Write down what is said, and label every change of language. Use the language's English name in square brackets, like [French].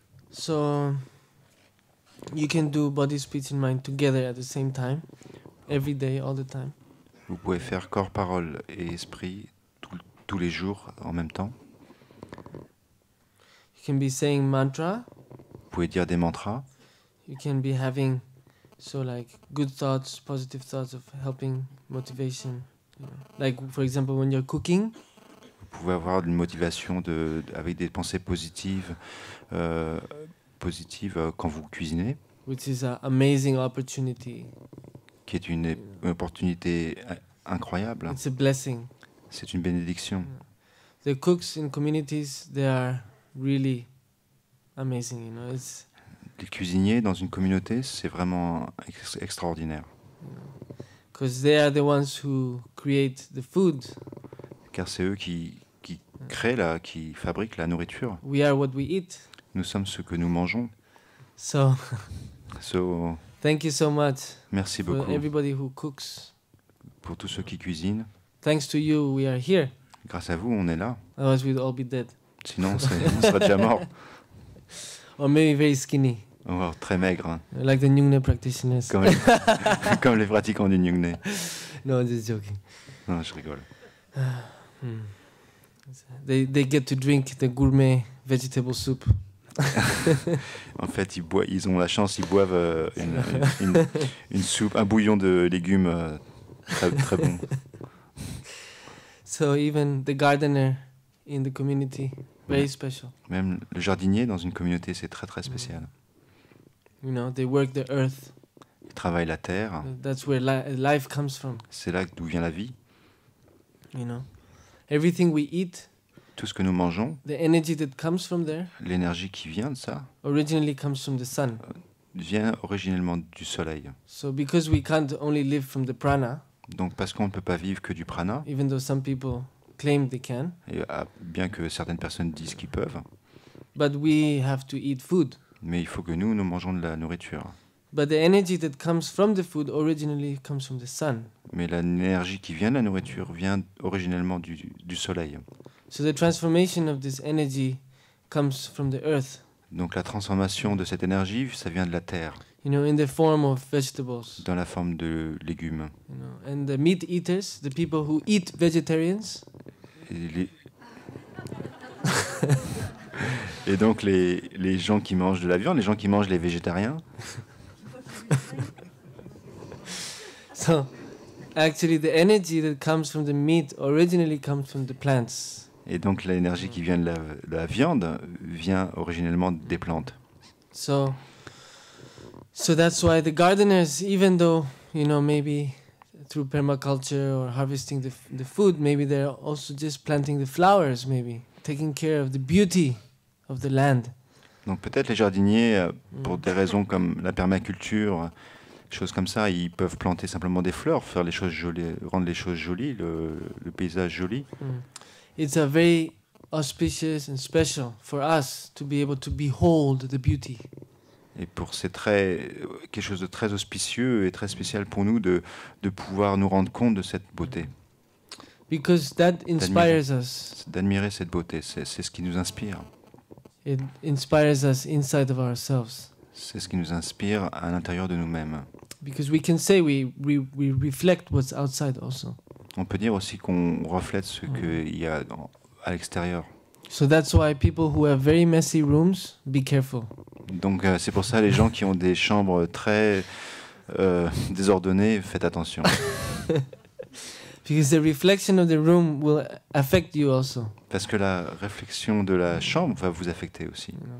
[English] So, you can do body, speech and mind together at the same time, every day, all the time. [French] Vous pouvez faire corps, parole et esprit tous les jours en même temps. [English] You can be saying mantra. [French] Vous pouvez dire des mantras. [English] You can be having so like good thoughts, positive thoughts of helping, motivation. Like for example when you're cooking. [French] Vous pouvez avoir une motivation avec des pensées positives, quand vous cuisinez. [English] Which is an amazing opportunity. [French] Qui est une opportunité incroyable. [English] It's a blessing. [French] C'est une bénédiction. [English] The cooks in communities, they are really amazing, you know. It's [French] les cuisiniers dans une communauté, c'est vraiment extraordinaire. [English] Because they are the ones who create the food. [French] Car c'est eux qui créent qui fabriquent la nourriture. [English] We are what we eat. [French] Nous sommes ce que nous mangeons. [English] So thank you so much. [French] Merci beaucoup. [English] For everybody who cooks. [French] Pour tous ceux qui cuisinent. [English] Thanks to you, we are here. [French] Grâce à vous, on est là. [English] Otherwise, we'd all be dead. [French] Sinon, on serait déjà mort. [English] Or maybe very skinny. [French] Ou très maigre. [English] Like the Nyungne practitioners. [French] Comme les pratiquants du Nyungne. [English] No, I'm just joking. [French] Non, je rigole. [English] They get to drink the gourmet vegetable soup. [French] En fait, ils ont la chance, ils boivent une soupe, un bouillon de légumes très, très bon. [English] So even the gardener in the community, very special. [French] Même le jardinier dans une communauté, c'est très très spécial. [English] You know, they work the earth. [French] Ils travaillent la terre. [English] That's where life comes from. [French] C'est là d'où vient la vie. [English] You know, everything we eat. [French] Tout ce que nous mangeons, [English] the energy that comes from there, [French] l'énergie qui vient de ça, [English] originally comes from the sun. [French] Vient originellement du soleil. [English] So because we can't only live from the prana, [French] donc parce qu'on ne peut pas vivre que du prana, [English] even though some people claim they can, [French] bien que certaines personnes disent qu'ils peuvent, [English] but we have to eat food. [French] Mais il faut que nous mangeons de la nourriture. [English] But the energy that comes from the food originally comes from the sun. [French] Mais l'énergie qui vient de la nourriture vient originellement du soleil. [English] So the transformation of this energy comes from the earth. [French] Donc la transformation de cette énergie, ça vient de la terre. [English] You know, in the form of vegetables. [French] Dans la forme de légumes. [English] You know, and the meat eaters, the people who eat vegetarians. [French] Et donc les gens qui mangent de la viande, les gens qui mangent les végétariens. [English] So, actually, the energy that comes from the meat originally comes from the plants. [French] Et donc l'énergie qui vient de la viande vient originellement des plantes. [English] So that's why the gardeners, even though you know maybe through permaculture or harvesting the food, maybe they're also just planting the flowers, maybe taking care of the beauty of the land. [French] Donc peut-être les jardiniers, pour des raisons comme la permaculture, choses comme ça, ils peuvent planter simplement des fleurs, faire les choses jolies, rendre les choses jolies, le paysage joli. [English] It's a very auspicious and special for us to be able to behold the beauty. [French] Et pour c'est très quelque chose de très auspicieux et très spécial pour nous de pouvoir nous rendre compte de cette beauté. [English] Because that inspires us. [French] D'admirer cette beauté, c'est ce qui nous inspire. [English] It inspires us inside of ourselves. [French] C'est ce qui nous inspire à l'intérieur de nous-mêmes. [English] Because we can say we reflect what's outside also. [French] On peut dire aussi qu'on reflète ce qu'il y a à l'extérieur. [English] So that's why people who have very messy rooms, be careful. [French] Donc c'est pour ça les gens qui ont des chambres très désordonnées, faites attention. [English] Because the reflection of the room will affect you also. [French] Parce que la réflexion de la chambre va vous affecter aussi.